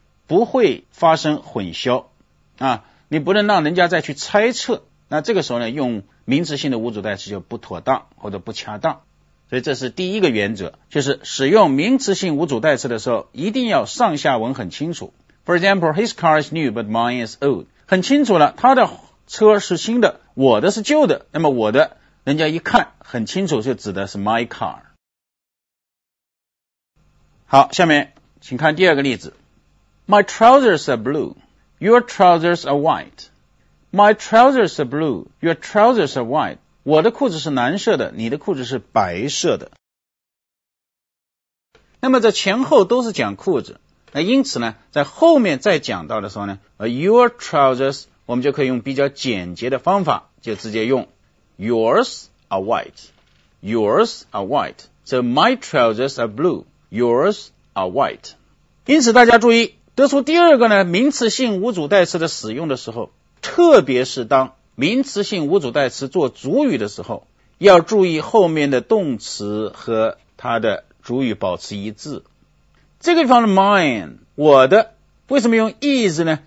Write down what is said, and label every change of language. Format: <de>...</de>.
<zh>不会发生混淆啊，你不能让人家再去猜测，那这个时候呢，用名词性的无主代词就不妥当或者不恰当，所以这是第一个原则，就是使用名词性无主代词的时候一定要上下文很清楚。 For example, his car is new but mine is old，很清楚了，他的车是新的，我的是旧的，那么我的人家一看很清楚就指的是 my car。好，下面请看第二个例子。</zh> <en>My trousers are blue, your trousers are whiteMy trousers are blue, your trousers are white.</en> <zh>我的裤子是蓝色的，你的裤子是白色的。那么这前后都是讲裤子，那因此呢，在后面再讲到的时候呢， your trousers 我们就可以用比较简洁的方法，就直接用 yours are white, yours are white.</zh> <en>So my trousers are blue, yours are white.</en> <zh>因此大家注意，得出第二个呢，名词性无主代词的使用的时候，特别是当名词性无主代词做主语的时候，要注意后面的动词和它的主语保持一致。这个地方的 mine 我的，为什么用 is 呢？</zh>